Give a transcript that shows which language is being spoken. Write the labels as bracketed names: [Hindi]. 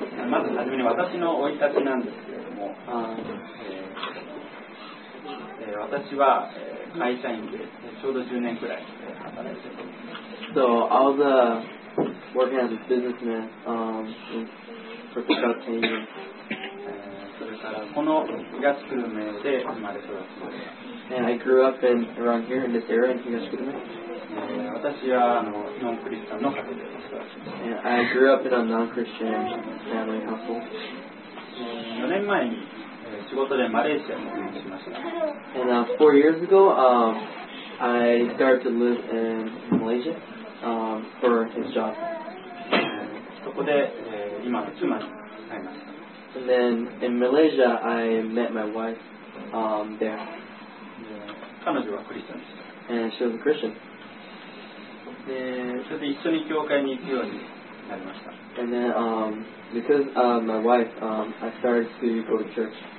[Japanese] まずはじめに私の生い立ちなんですけれども、私は会社員でちょうど10年くらい働いています。 [English] So, I was working as a businessman for about 10 years. [Japanese] それからこの東久留米で生まれ育ちました。 [English] And I grew up in, around here in this area in 東久留米。 [Japanese] 私はノンクリスチャンの家庭で [English] And I grew up in a non-Christian family household. [Japanese] 4年前に仕事でマレーシアに移住しました。 [English] And four years ago, I started to live in Malaysia for his job. [Japanese] そこで今の妻に会いました。 [English] And then in Malaysia, I met my wife there. [Japanese] 彼女はクリスチャンでした。 [English] And she was a Christian. [Japanese] それで一緒に教会に行くようになりました。 [English] And then, because my wife, I started to go to church.